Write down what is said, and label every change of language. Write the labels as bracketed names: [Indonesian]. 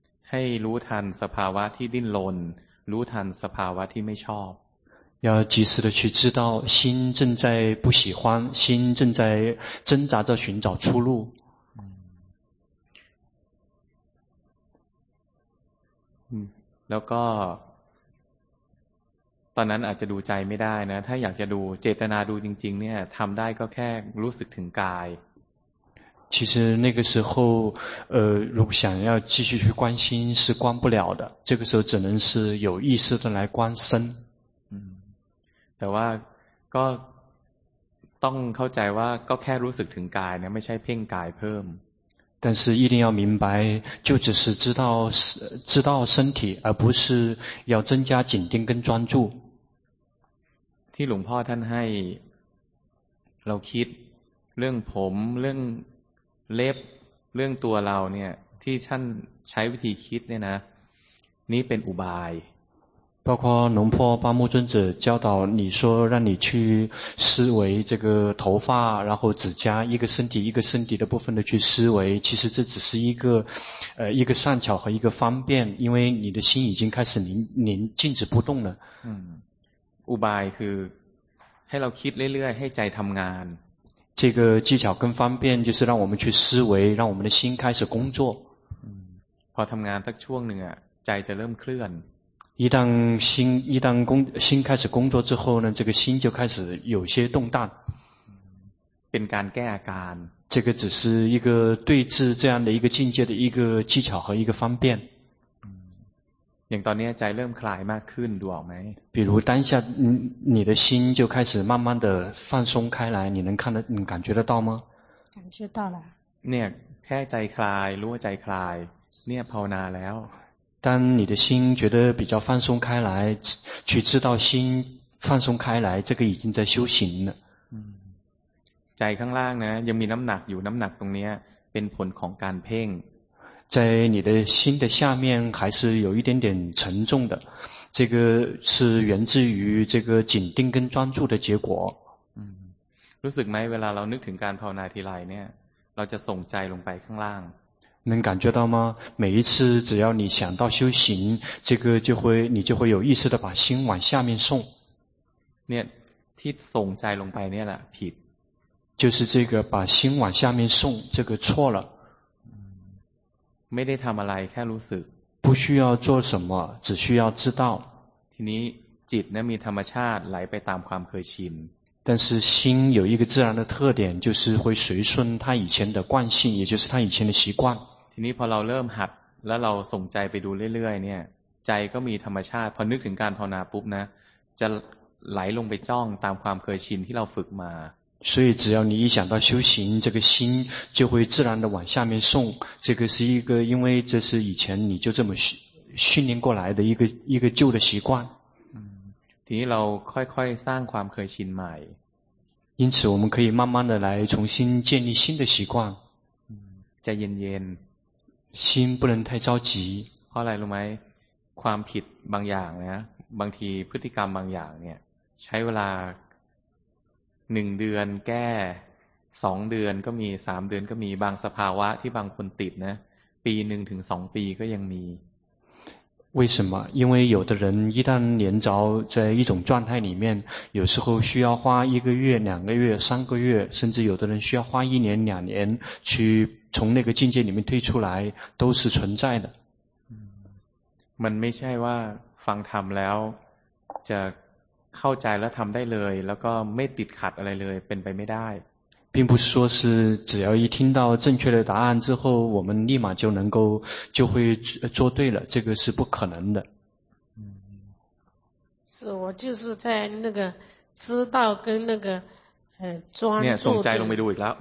[Thai] ให้รู้ทันสภาวะที่ดิ้นรนรู้ทันสภาวะที่ไม่ชอบ [Chinese] 要及时的去知道心正在不喜欢心正在挣扎着寻找出路 [Thai] แล้วก็ตอนนั้นอาจจะดูใจไม่ได้นะถ้าอยากจะดูเจตนาดูจริงๆเนี่ยทำได้ก็แค่รู้สึกถึงกาย [Chinese] 其实那个时候如果想要继续去关心是关不了的这个时候只能是有意识的来观身 [Thai] แต่ว่าก็ต้องเข้าใจว่าก็แค่รู้สึกถึงกายนะไม่ใช่เพ่งกายเพิ่ม [Chinese] 但是一定要明白就只是知道身体而不是要增加紧盯跟专注 [Thai] ที่หลวงพ่อท่านให้เราคิดเรื่องผมเรื่องเล็บเรื่องตัวเราเนี่ยที่ท่านใช้วิธีคิดเนี่ยนะนี้เป็นอุบาย [Chinese] 包括农坡巴木尊者教导你说让你去思维这个头发然后指甲一个身体一个身体的部分的去思维其实这只是一个善巧和一个方便因为你的心已经开始您静止不动了 [Thai] 嗯，อุบายคือให้เราคิดเรื่อยๆให้ใจทำงาน [Chinese] 这个技巧更方便就是让我们去思维让我们的心开始工作 [Thai] พอทำงานสักช่วงหนึ่งใจจะเริ่มเคลื่อน [Chinese] 一旦心开始工作之后呢，这个心就开始有些动荡。 [Thai] เป็นการแก้อาการ [Chinese] 这个只是一个对治这样的一个境界的一个技巧和一个方便。 [Thai] อย่างตอนนี้ใจเริ่มคลายมากขึ้นดูออกไหม [Chinese] 比如当下你的心就开始慢慢的放松开来，你能看得你感觉得到吗？感觉到了。 [Thai] เนี่ยแค่ใจคลายรู้ว่าใจคลายเนี่ยภาวนาแล้ว [Chinese] 当你的心觉得比较放松开来去知道心放松开来这个已经在修行了 [Thai] ใจข้างล่างนะยังมีน้ำหนักอยู่น้ำหนักตรงนี้เป็นผลของการเพ่ง [Chinese] 在你的心的下面还是有一点点沉重的这个是源自于这个紧盯跟专注的结果 [Thai] รู้สึกไหมเวลาเรานึกถึงการภาวนาทีไรเนี่ยเราจะส่งใจลงไปข้างล่าง [Chinese] 能感觉到吗？每一次只要你想到修行，这个就会你就会有意识的把心往下面送。 [Thai] 念，ที่ส่งใจลงไปเนี่ยแหละผิด。 [Chinese] 就是这个把心往下面送，这个错了。 [Thai] ไม่ได้ทำอะไรแค่รู้สึก。 [Chinese] 不需要做什么，只需要知道。 [Thai] ทีนี้จิตเนี่ยมีธรรมชาติไหลไปตามความเคยชิน。 [Chinese] 但是心有一个自然的特点，就是会随顺它以前的惯性，也就是它以前的习惯。 [Thai] ทีนี้พอเราเริ่มหัดแล้วเราส่งใจไปดูเรื่อยๆเนี่ยใจก็มีธรรมชาติพอนึกถึงการภาวนาปุ๊บนะจะไหลลงไปจ้องตามความเคยชินที่เราฝึกมา [Chinese] 所以只要你一想到修行，这个心就会自然的往下面送。这个是一个，因为这是以前你就这么训练过来的一个旧的习惯。 [Thai] ทีนี้เราค่อยๆสร้างความเคยชินใหม่ [Chinese] 因此我们可以慢慢的来重新建立新的习惯 [Thai] ใจเย็น [Chinese] ๆ心不能太着急 [Thai] เพราะอะไรรู้ไหมความผิดบางอย่างนะบางทีพฤติกรรมบางอย่างเนี่ยใช้เวลา1เดือนแก้2เดือนก็มี3เดือนก็มีบางสภาวะที่บางคนติดนะปี1ถึง2ปีก็ยังมี [Chinese] 为什么？因为有的人一旦连着在一种状态里面，有时候需要花一个月、两个月、三个月，甚至有的人需要花一年、两年去从那个境界里面退出来，都是存在的。 [Thai] มันไม่ใช่ว่าฟังธรรมแล้วจะเข้าใจแล้วทำได้เลยแล้วก็ไม่ติดขัดอะไรเลยเป็นไปไม่ได้ [Chinese] 并不是说是只要一听到正确的答案之后我们立马就能够就会做对了这个是不可能的是我就是在那个知道跟那个专注的送斋龙没得了